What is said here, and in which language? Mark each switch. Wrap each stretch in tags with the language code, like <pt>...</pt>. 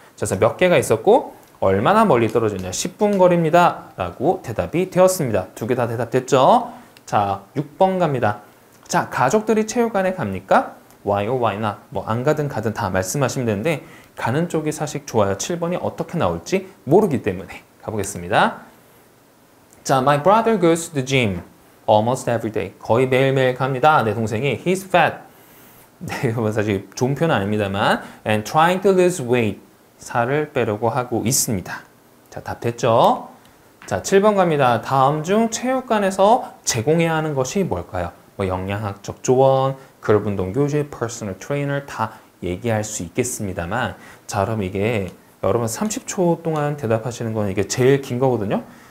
<ko>그래서 몇 개가 있었고, 얼마나 멀리 떨어져 있냐, 10분 거리입니다. 라고 대답이 되었습니다. 두 개 다 대답됐죠? 자, 6번 갑니다. 자, 가족들이 체육관에 갑니까?</ko> <en>Why or why not?</en> <ko>뭐, 안 가든 가든 다 말씀하시면 되는데, 가는 쪽이 사실 좋아요. 7번이 어떻게 나올지 모르기 때문에. 가보겠습니다.</ko> <en>자, my brother goes to the gym almost every day.</en> <ko>거의 매일매일 갑니다. 내 동생이.</ko> <en>He's fat.</en> <ko>네, 여러분 사실 좋은 표현은 아닙니다만.</ko> <en>And trying to lose weight.</en> <ko>살을 빼려고 하고 있습니다. 자, 답 됐죠? 자, 7번 갑니다. 다음 중 체육관에서 제공해야 하는 것이 뭘까요? 뭐 영양학적 조언, 그룹 운동 교실, 퍼스널 트레이너 다 얘기할 수 있겠습니다만, 자, 그럼 이게 여러분 30초 동안 대답하시는 건 이게 제일 긴 거거든요.</ko>